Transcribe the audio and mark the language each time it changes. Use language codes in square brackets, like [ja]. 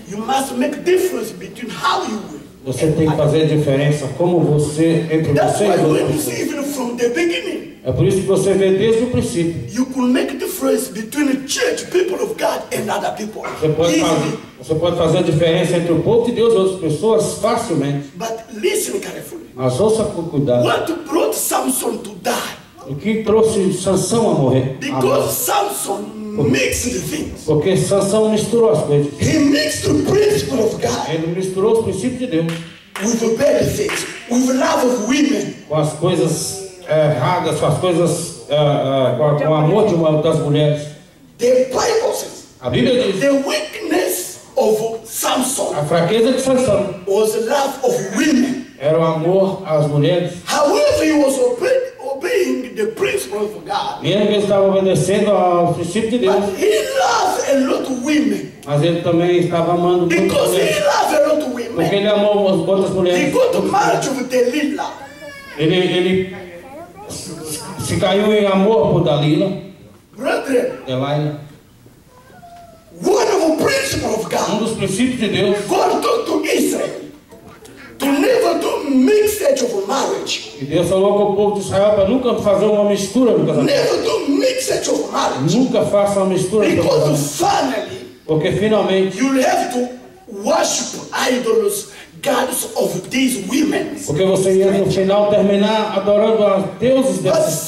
[en] You must make difference between how you wear. [pt] Você tem que fazer a diferença como você entre você e os outros. É por isso que você vê desde o princípio. [en] You can make difference between church people of God and other people. [pt] Você pode fazer a diferença entre o povo de Deus e outras pessoas facilmente. [en] But listen carefully. [pt] Mas ouça com cuidado. [en] What brought Samson to die? [pt] O que trouxe Sansão a morrer? [en] Because Samson mixed things. [pt] Porque Sansão misturou as coisas. [en] He mixed the principle of God. [pt] Ele misturou os princípios de Deus. [en] With the bad things, with love of women. [pt] Com as coisas erradas, com as coisas com o amor de uma das mulheres. [en] The Bible says. [pt] A Bíblia diz. [en] The weakness of Samson. [pt] A fraqueza de Sansão. [en] Was love of women. [pt] Era o amor às mulheres. [en] However, he was obeying the principle of God. [pt] Mesmo que ele estava obedecendo ao princípio de Deus. [en] But he loved a lot of women. [pt] Mas ele também estava amando muitas [en] because [pt] mulheres. [en] He loved a lot of women. [pt] Porque ele amou as outras mulheres. [en] He got married with Delilah. [pt] Ele se caiu em amor por Dalila. Delilah. [en] One of the principles of God. [pt] Um dos princípios de Deus. [en] God talked to Israel. To never do mixed of marriage. [pt] E Deus falou com o povo de Israel para nunca fazer uma mistura no casamento. [en] Never do mixed of marriage. [pt] Nunca faça uma mistura. [en] Because finally, [pt] porque finalmente, [en] you have to worship idols, gods of these women. [pt] Porque você ia no final terminar adorando a deuses dessas.